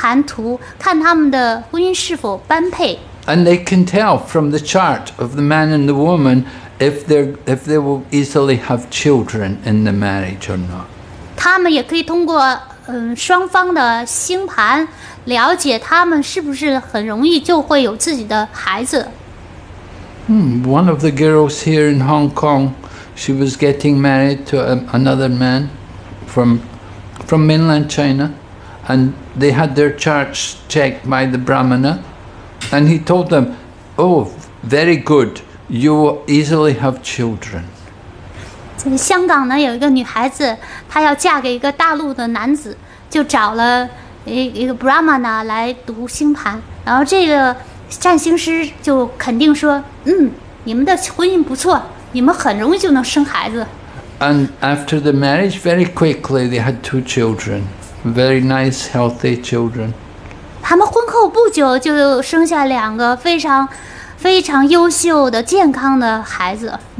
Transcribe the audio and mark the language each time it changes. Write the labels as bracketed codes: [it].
[zh] 涉及到婚姻大事的时候，他们也会请Brahmana来看读新郎新娘的星盘图，看他们的婚姻是否般配。 [en] And they can tell from the chart of the man and the woman if they will easily have children in the marriage or not. [zh] 他们也可以通过双方的星盘了解他们是不是很容易就会有自己的孩子。 [en] One of the girls here in Hong Kong, she was getting married to another man from mainland China, and they had their charts checked by the Brahmana, and he told them, oh, very good, you will easily have children. [zh] 香港呢有一个女孩子，她要嫁给一个大陆的男子，就找了一个Brahmana来读星盘，然后这个占星师就肯定说，嗯，你们的婚姻不错，你们很容易就能生孩子。 [en] And after the marriage, very quickly, they had two children. Very nice, healthy children. [zh] 他们婚后不久就生下两个非常优秀的健康的孩子。